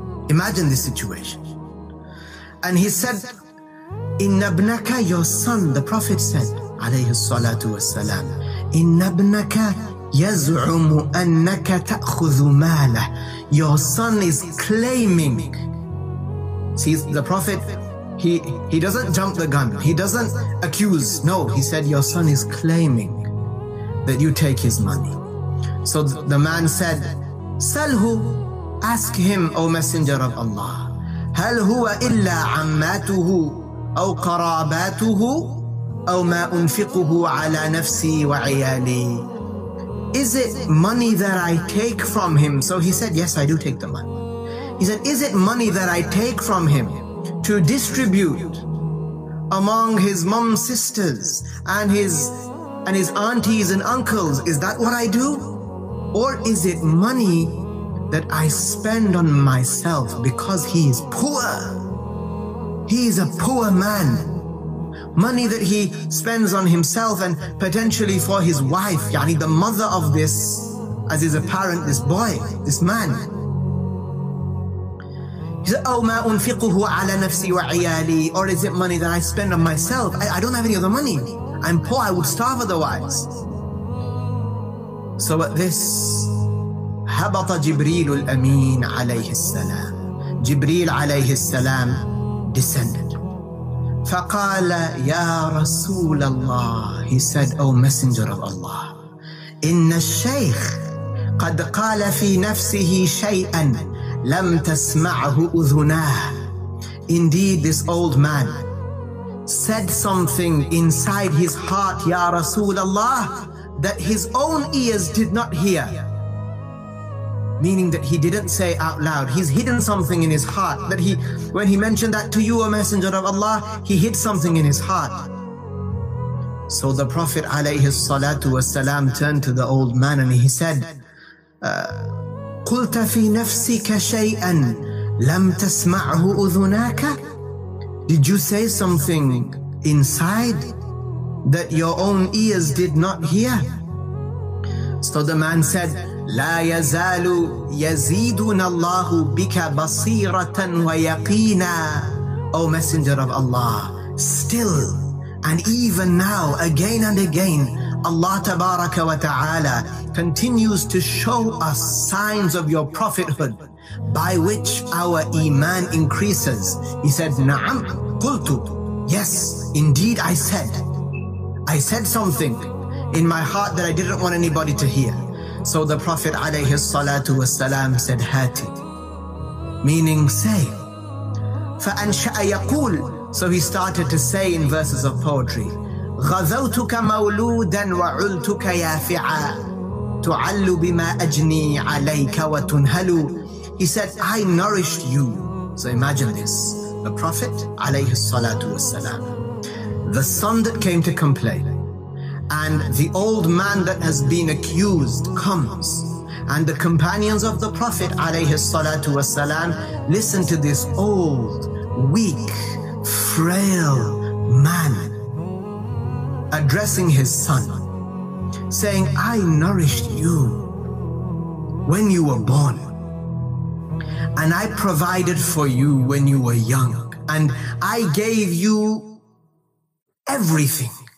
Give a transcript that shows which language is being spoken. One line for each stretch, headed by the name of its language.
English: Imagine this situation. And he said,
Arabic: Inna ibnaka,
English: your son, the Prophet said, عليه الصلاة والسلام,
Arabic: إن ابنك يزعم أنك تأخذ ماله.
English: Your son is claiming. See, the Prophet, he doesn't jump the gun. He doesn't accuse. No, he said, your son is claiming that you take his money.
Arabic: So the man said, سله,
English: ask him, O Messenger of Allah,
Arabic: هل هو إلا عماته أو قراباته أو ما أنفقه على نفسي وعيالي.
English: Is it money that I take from him? So he said, yes, I do take the money. He said, is it money that I take from him to distribute among his mom's sisters and his aunties and uncles? Is that what I do? Or is it money that I spend on myself because he is poor? He is a poor man. Money that he spends on himself and potentially for his wife, yani the mother of this, as is apparent, this boy, this man. He said,
Arabic: أو ما أنفقه على نفسي وعيالي,
English: or is it money that I spend on myself? I don't have any other money. I'm poor, I would starve otherwise. So at this,
Arabic: هبط جبريل الأمين عليه السلام. جبريل عليه السلام
English: descended.
Arabic: فقال يا رسول الله,
English: he said, O Messenger of Allah,
Arabic: إن الشيخ قد قال في نفسه شيئا لم تسمعه أذناه.
English: Indeed, this old man said something inside his heart,
Arabic: يا رسول الله,
English: that his own ears did not hear. Meaning that he didn't say out loud. He's hidden something in his heart. That he, when he mentioned that to you, O Messenger of Allah, he hid something in his heart. So the Prophet alayhi salatu wasalam turned to the old man and he said,
Arabic: قلت في نفسك شيئا لم تسمعه أذناك.
English: Did you say something inside that your own ears did not hear? So the man said,
Arabic: لا يزال يزيدنا الله بك بصيرة ويقينا.
English: O Messenger of Allah, still and even now, again and again, Allah تبارك وتعالى continues to show us signs of your prophethood by which our iman increases. He said,
Arabic: نعم قلت.
English: Yes, indeed I said something in my heart that I didn't want anybody to hear. So the Prophet عليه الصلاة والسلام said, هاتي, meaning say.
Arabic: فَأَنْشَأَ يَقُولُ,
English: so he started to say in verses of poetry,
Arabic: غَذَوْتُكَ مَوْلُودًا وَعُلْتُكَ يَافِعًا تُعَلُّ بِمَا أَجْنِي عَلَيْكَ وَتُنْهَلُ.
English: He said, I nourished you. So imagine this, the Prophet عليه الصلاة والسلام, the son that came to complain, and the old man that has been accused comes And the companions of the Prophet alayhi salatu wasalam listened to this old, weak, frail man addressing his son, saying, I nourished you when you were born, and I provided for you when you were young, and I gave you everything.